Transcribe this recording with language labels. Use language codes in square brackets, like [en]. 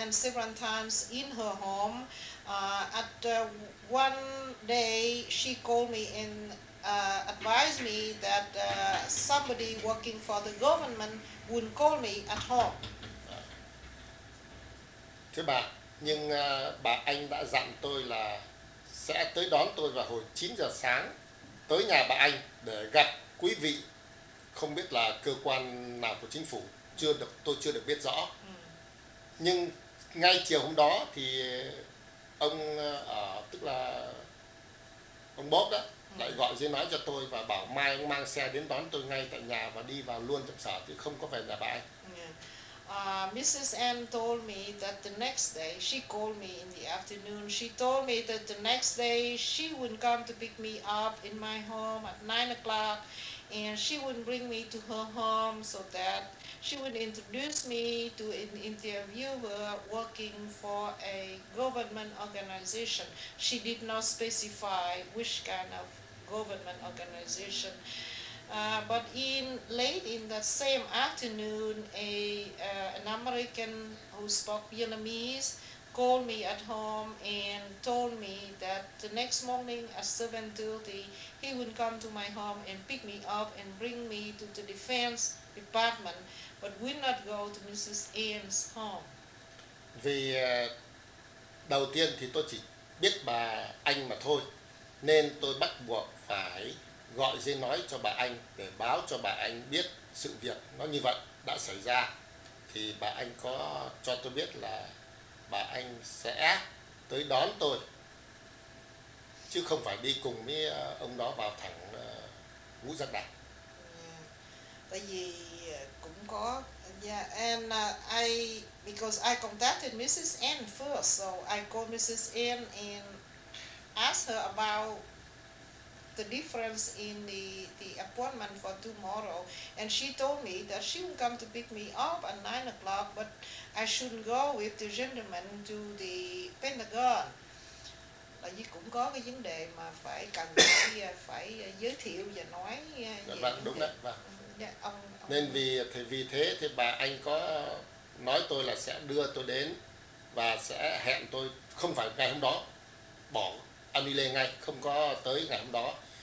[en] M several times in her home, at one day she called me and advised me that somebody working for the government would call me at home. [vi] Thưa bà, nhưng bà Anh đã dặn tôi là sẽ tới đón tôi vào hồi 9 giờ sáng tới nhà bà Anh để gặp quý vị, không biết là cơ quan nào của chính phủ, tôi chưa được biết rõ. Nhưng ngay chiều hôm đó thì ông tức là ông Bob đó lại gọi dây nói cho tôi và bảo mai ông mang xe đến đón tôi ngay tại nhà và đi vào luôn trong sở chứ không có về nhà bà Anh. [en] Mrs. M told me that the next day, she called me in the afternoon, she told me that the next day she would come to pick me up in my home at 9 o'clock and she would bring me to her home so that she would introduce me to an interviewer working for a government organization. She did not specify which kind of government organization. But in late in that same afternoon, an American who spoke Vietnamese called me at home and told me that the next morning at 7:30 he would come to my home and pick me up and bring me to the Defense Department, but would not go to Mrs. Anne's home. [vi] Vì đầu tiên thì tôi chỉ biết bà Anh mà thôi, nên tôi bắt buộc phải gọi dây nói cho bà Anh để báo cho bà Anh biết sự việc nó như vậy đã xảy ra. Thì bà Anh có cho tôi biết là bà Anh sẽ tới đón tôi, chứ không phải đi cùng với ông đó vào thẳng Ngũ Giác Đài. Tại vì cũng có, [en] yeah, and I contacted Mrs. N first, so I called Mrs. N and asked her about the difference in the appointment for tomorrow, and she told me that she would come to pick me up at 9 o'clock, but I shouldn't go with the gentleman to the Pentagon. [vi] Là vì cũng có cái vấn đề mà phải cần phải giới thiệu và nói về. Vâng, đúng đấy, vâng. Ông nên vì thế thì bà Anh có nói tôi là sẽ đưa tôi đến và sẽ hẹn tôi không phải ngày hôm đó, bỏ anh đi lên ngay, không có tới ngày hôm đó.